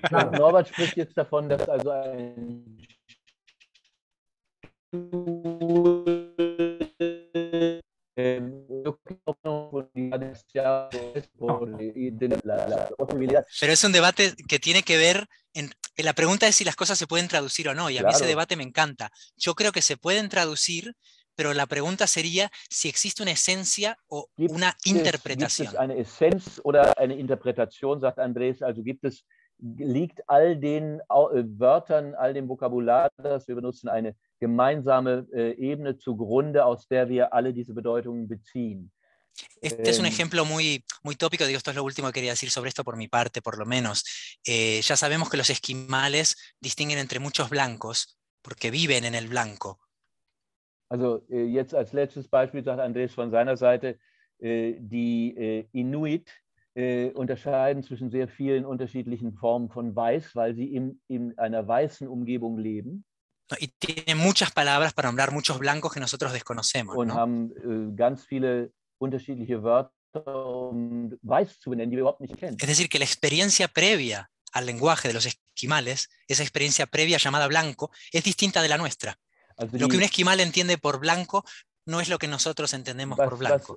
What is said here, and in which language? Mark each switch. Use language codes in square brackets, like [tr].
[es] Pero es un debate que tiene que ver en la pregunta es si las cosas se pueden traducir o no, y a mí ese debate me encanta. Yo creo que se pueden traducir, pero la pregunta sería si existe una esencia o una interpretación. ¿Existe una esencia o una interpretación? [de] Sagt Andrés, also gibt es, liegt all den Wörtern, all dem Vokabular, das wir benutzen, eine gemeinsame Ebene zugrunde, aus der wir alle diese Bedeutungen beziehen. [es] Este es un ejemplo muy, muy tópico, digo, esto es lo último que quería decir sobre esto por mi parte, por lo menos. Ya sabemos que los esquimales distinguen entre muchos blancos, porque viven en el blanco. [de] Also, jetzt als letztes Beispiel sagt Andrés von seiner Seite, die Inuit unterscheiden zwischen sehr vielen unterschiedlichen Formen von Weiß, weil sie in einer weißen Umgebung leben. [es] Y tiene muchas palabras para nombrar muchos blancos que nosotros desconocemos. [de] Und haben ganz viele unterschiedliche Wörter, um weiß zu benennen, die wir überhaupt nicht kennen. [es] Es decir, que la experiencia previa al lenguaje de los esquimales, esa experiencia previa llamada blanco, es distinta de la nuestra. Also lo que un esquimal entiende por blanco no es lo que nosotros entendemos por blanco.